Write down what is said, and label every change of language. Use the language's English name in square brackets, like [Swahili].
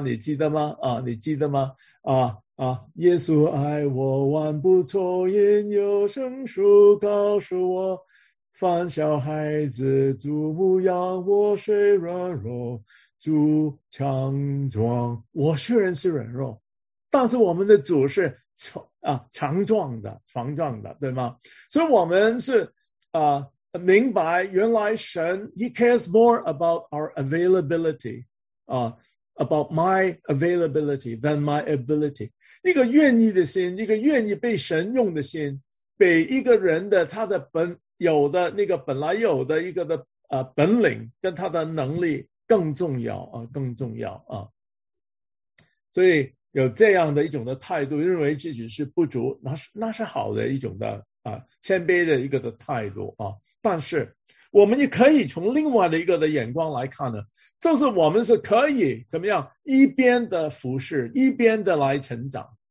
[Chinese] 你记得吗？你记得吗？耶稣爱我万不错，因有圣书告诉我，凡小孩子祖母养我，谁软弱主强壮。我虽然是软弱，但是我们的主是强壮的，对吗？所以我们是明白原来神 [English] He cares more about our availability about my availability than my ability。 [Chinese] 一个愿意的心，一个愿意被神用的心，比一个人的他的本有的那个本来有的一个的本领跟他的能力更重要更重要所以有这样的一种的态度，认为自己是不足，那是好的一种的谦卑的一个的态度但是我们也可以从另外的一个的眼光来看呢，就是我们是可以怎么样一边的服侍，一边的来成长